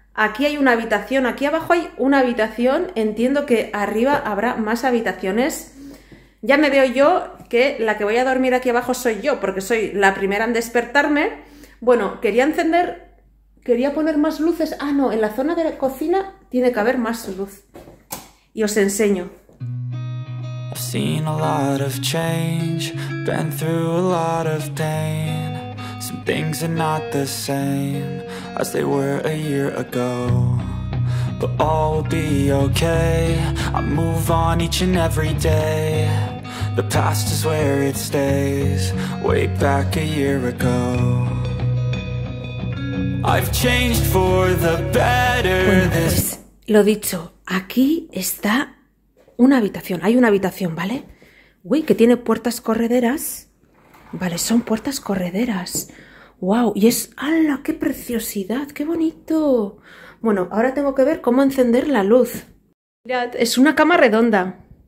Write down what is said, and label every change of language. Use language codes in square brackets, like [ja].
[es] Aquí hay una habitación, aquí abajo hay una habitación. Entiendo que arriba habrá más habitaciones. Ya me veo yo que la que voy a dormir aquí abajo soy yo, porque soy la primera en despertarme. Bueno, quería encender, quería poner más luces. Ah, no, en la zona de la cocina tiene que haber más luz. Y os enseño. [en] I've seen a lot of change, been through a lot of pain. Some things are not the same as they were a year ago. But all will be okay, I move on each and every day. The past is where it stays, way back a year ago. I've changed for the better. [es] Pues, lo dicho, aquí está una habitación. Hay una habitación, ¿vale? Uy, que tiene puertas correderas. Vale, son puertas correderas. ¡Wow! Y es... ¡Hala! ¡Qué preciosidad! ¡Qué bonito! Bueno, ahora tengo que ver cómo encender la luz. Mirad, es una cama redonda.